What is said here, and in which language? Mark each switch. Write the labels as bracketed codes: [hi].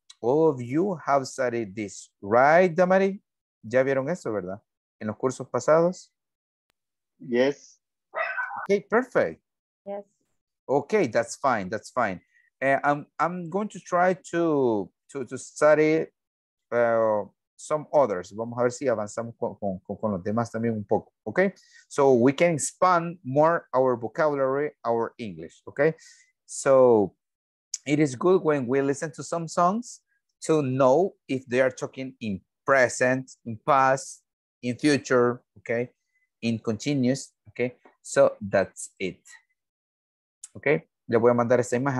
[en] All of you have studied this, right, Damari? [es] ¿Ya vieron eso, verdad? ¿En los cursos pasados? [en] Yes. Okay, perfect. Yes. Okay, that's fine, that's fine. I'm going to try to study some others. [es] Vamos a ver si avanzamos con los demás también un poco, okay? [en] So we can expand more our vocabulary, our English, okay? So it is good when we listen to some songs to know if they are talking in present, in past, in future, okay? In continuous, okay? So that's it, okay? [es] Le voy a mandar esta imagen.